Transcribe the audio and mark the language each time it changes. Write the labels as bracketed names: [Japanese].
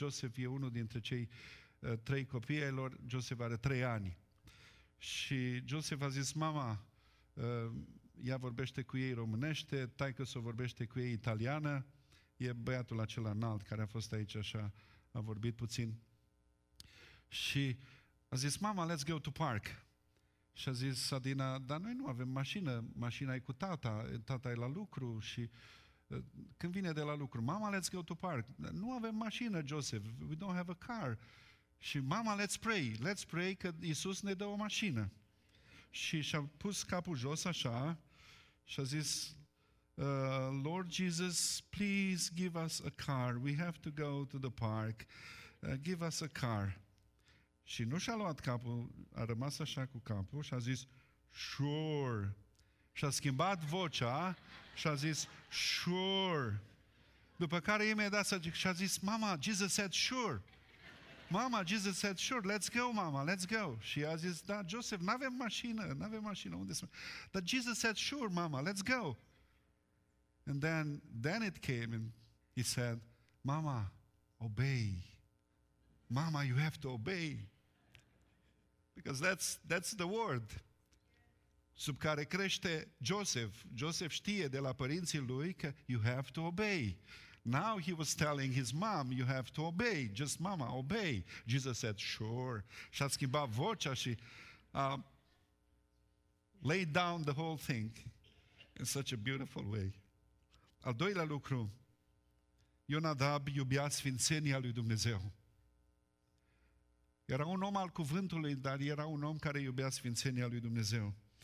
[Romanian] Joseph e unul dintre cei trei copii ai lor, Joseph are 3 ani. Și Joseph a zis, mama, ea vorbește cu ei românește, taică s-o vorbește cu ei italiană, e băiatul acela înalt care a fost aici așa, a vorbit puțin. Și a zis, mama, [English] let's go to park. [Romanian] Și a zis Adina, dar noi nu avem mașină, mașina e cu tata, tata e la lucru și când vine de la lucru, mama, [English] let's go to park. [Romanian] Nu avem mașină, Joseph, [English] we don't have a car. [Romanian] Și mama, [English] let's pray [Romanian] că Iisus ne dă o mașină. Și și-a pus capul jos așa și a zis, [English] Lord Jesus, please give us a car. We have to go to the park. Give us a car. [Romanian] Și nu și-a luat capul, a rămas așa cu capul și a zis, sure. Și-a schimbat vocea și a zis, sure. După care imediat și-a zis, mama, [English] Jesus said, sure. Mama, Jesus said, sure, let's go, mama, let's go. [Romanian] Și a zis, da, Joseph, n-avem mașină, unde sunt? [English] But Jesus said, sure, mama, let's go. And then it came and he said, mama, obey. Mama, you have to obey. Because that's the word [Romanian] sub care crește Joseph. Joseph știe de la părinții lui că [English] you have to obey. Now he was telling his mom, you have to obey, just mama, obey. Jesus said, sure. [Romanian] Și a schimbat vocea și [English] laid down the whole thing in such a beautiful way. [Romanian] Al doilea lucru, Ionadab iubea sfințenia lui Dumnezeu. Era un om al cuvântului, dar era un om care iubea sfințenia lui Dumnezeu.